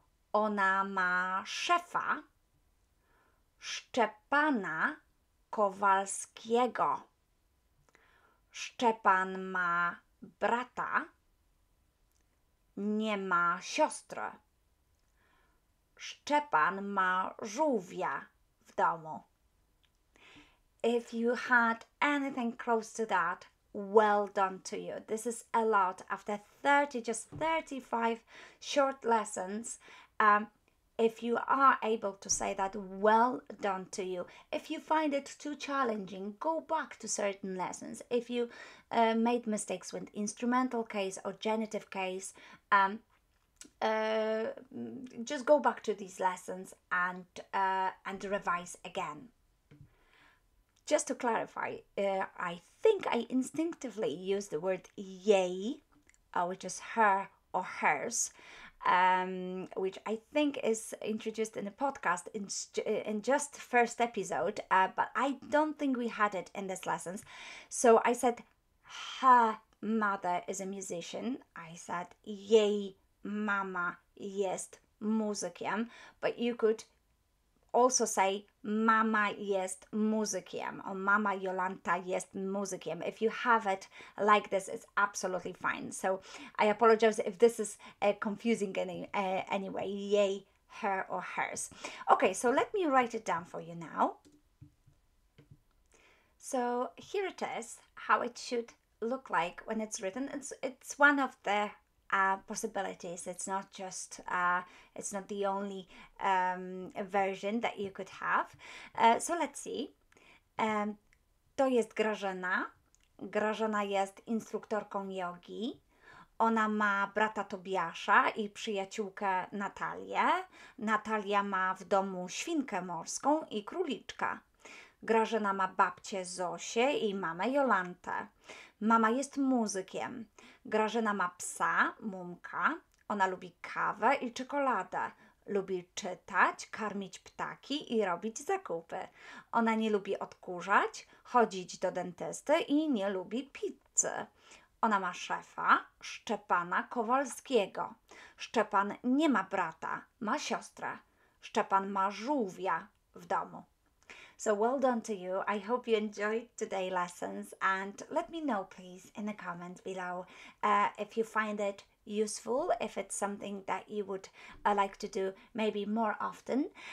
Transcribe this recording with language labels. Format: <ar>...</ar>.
<pl>Ona ma szefa, Szczepana Kowalskiego. Szczepan ma brata, nie ma siostry. Szczepan ma żółwia w domu.</pl> <en>If you had anything close to that, well done to you. This is a lot. After 30, just 35 short lessons, if you are able to say that, well done to you. If you find it too challenging, go back to certain lessons. If you made mistakes with instrumental case or genitive case, just go back to these lessons and revise again. Just to clarify, I think I instinctively used the word yay, which is her or hers, which I think is introduced in the podcast in just first episode, but I don't think we had it in this lessons. So I said her mother is a musician. I said</en> <pl>jej mama jest muzykiem,</pl> <en>but you could also say</en> <pl>mama jest muzykiem</pl> <en>or</en> <pl>mama Jolanta jest muzykiem.</pl> <en>If you have it like this, it's absolutely fine. So I apologize if this is confusing anyway. Jej, her or hers. Okay, so let me write it down for you now. So here it is, how it should look like when it's written. It's one of the possibilities. It's not just it's not the only version that you could have. So let's see.</en> <pl>To jest Grażyna. Grażyna jest instruktorką jogi. Ona ma brata Tobiasza i przyjaciółkę Natalię. Natalia ma w domu świnkę morską i króliczka. Grażyna ma babcię Zosię i mamę Jolantę. Mama jest muzykiem. Grażyna ma psa, Mumka. Ona lubi kawę i czekoladę. Lubi czytać, karmić ptaki i robić zakupy. Ona nie lubi odkurzać, chodzić do dentysty i nie lubi pizzy. Ona ma szefa, Szczepana Kowalskiego. Szczepan nie ma brata, ma siostrę. Szczepan ma żółwia w domu.</pl> <en>So well done to you. I hope you enjoyed today's lessons, and let me know please in the comments below if you find it useful, if it's something that you would like to do maybe more often.</en>